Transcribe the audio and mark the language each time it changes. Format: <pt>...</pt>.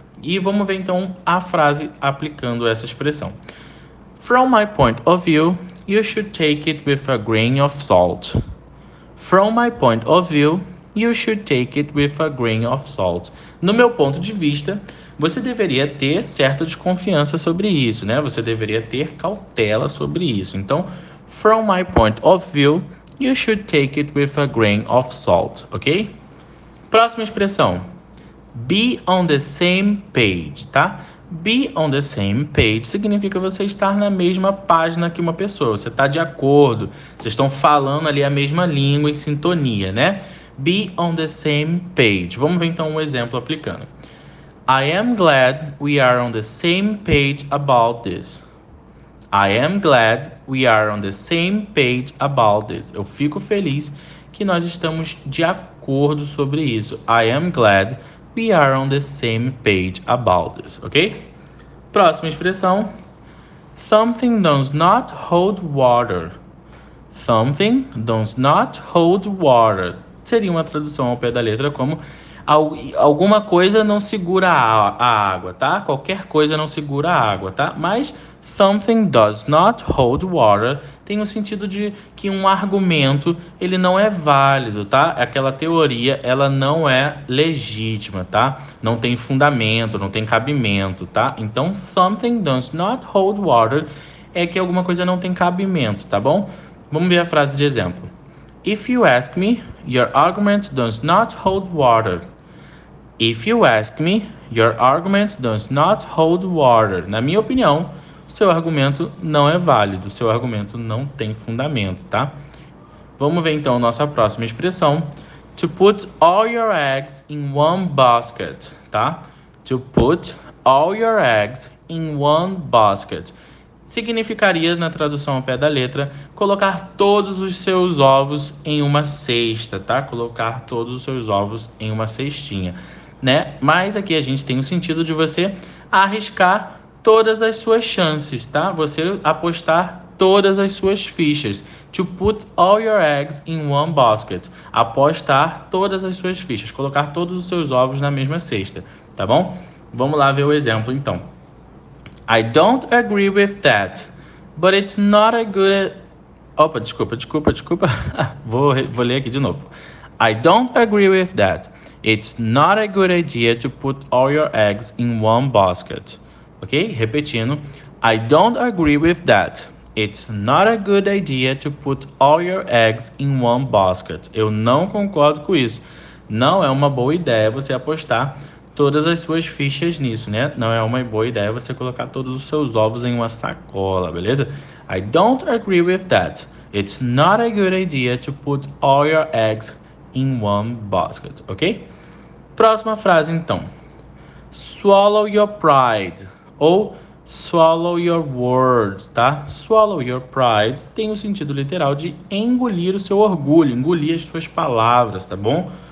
<pt>E vamos ver, então, a frase aplicando essa expressão.</pt> <en>From my point of view, you should take it with a grain of salt. From my point of view, you should take it with a grain of salt.</en> <pt>No meu ponto de vista, você deveria ter certa desconfiança sobre isso, né? Você deveria ter cautela sobre isso.</pt> <en>Então, from my point of view, you should take it with a grain of salt, ok?</en> <pt>Próxima expressão.</pt> <en>Be on the same page, tá? Be on the same page</en> <pt>significa você estar na mesma página que uma pessoa. Você está de acordo, vocês estão falando ali a mesma língua, em sintonia, né?</pt> <en>Be on the same page.</en> <pt>Vamos ver então um exemplo aplicando.</pt> <en>I am glad we are on the same page about this. I am glad we are on the same page about this.</en> <pt>Eu fico feliz que nós estamos de acordo sobre isso.</pt> <en>I am glad we are on the same page about this, ok?</en> <pt>Próxima expressão.</pt> <en>Something does not hold water. Something does not hold water.</en> <pt>Seria uma tradução ao pé da letra como alguma coisa não segura a água, tá? Qualquer coisa não segura a água, tá? Mas</pt> <en>something does not hold water</en> <pt>tem o sentido de que um argumento, ele não é válido, tá? Aquela teoria, ela não é legítima, tá? Não tem fundamento, não tem cabimento, tá? Então,</pt> <en>something does not hold water</en> <pt>é que alguma coisa não tem cabimento, tá bom? Vamos ver a frase de exemplo.</pt> <en>If you ask me, your argument does not hold water. If you ask me, your argument does not hold water.</en> <pt>Na minha opinião, seu argumento não é válido, seu argumento não tem fundamento, tá? Vamos ver então a nossa próxima expressão.</pt> <en>To put all your eggs in one basket, tá? To put all your eggs in one basket.</en> <pt>Significaria, na tradução ao pé da letra, colocar todos os seus ovos em uma cesta, tá? Colocar todos os seus ovos em uma cestinha, né? Mas aqui a gente tem o sentido de você arriscar todas as suas chances, tá? Você apostar todas as suas fichas.</pt> <en>To put all your eggs in one basket.</en> <pt>Apostar todas as suas fichas. Colocar todos os seus ovos na mesma cesta, tá bom? Vamos lá ver o exemplo, então.</pt> <en>I don't agree with that, but it's not a good.</en> <pt>Opa, desculpa, desculpa, desculpa. Vou ler aqui de novo.</pt> <en>I don't agree with that. It's not a good idea to put all your eggs in one basket. Ok?</en> <pt>Repetindo.</pt> <en>I don't agree with that. It's not a good idea to put all your eggs in one basket.</en> <pt>Eu não concordo com isso. Não é uma boa ideia você apostar todas as suas fichas nisso, né? Não é uma boa ideia você colocar todos os seus ovos em uma sacola, beleza?</pt> <en>I don't agree with that. It's not a good idea to put all your eggs in one basket. Ok?</en> <pt>Próxima frase, então.</pt> <en>Swallow your pride.</en> <pt>Ou</pt> <en>swallow your words,</en> <pt>tá?</pt> <en>Swallow your pride</en> <pt>tem o sentido literal de engolir o seu orgulho, engolir as suas palavras, tá bom?</pt>